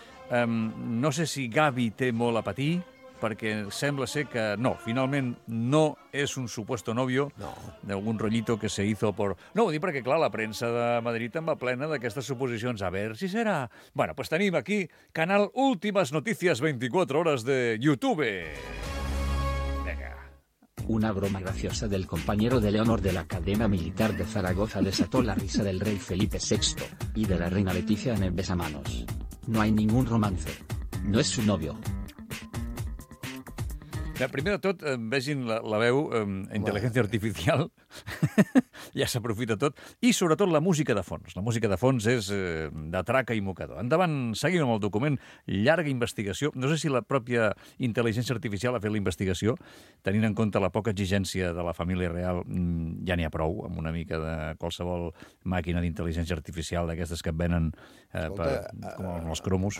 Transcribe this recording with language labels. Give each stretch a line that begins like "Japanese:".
Catalan: No sé si Gavi té molt a patir, perquè sembla ser que no, finalment no és un supuesto novio d'algun rollito
Spanish: que se hizo por...
Catalan: No, ho dic perquè, clar, la premsa de Madrid en va plena d'aquestes suposicions. A ver si serà... Bueno, pues tenim aquí canal Últimas Noticias 24 Horas de YouTube.
Spanish: Una broma graciosa del compañero de Leonor de la cadena militar de Zaragoza desató la risa del rey Felipe VI y de la reina Leticia en el besamanos. No hay ningún romance. No es su novio.
Catalan: Primer de tot, vegin la veu, intel·ligència artificial, ja s'aprofita tot, i sobretot la música de fons. La música de fons és de traca i mocador. Endavant, seguim amb el document, llarga investigació. No sé si la pròpia intel·ligència artificial ha fet la investigació, tenint en compte la poca exigència de la família real, ja n'hi ha prou, amb una mica de qualsevol màquina d'intel·ligència artificial d'aquestes que et venen com els cromos.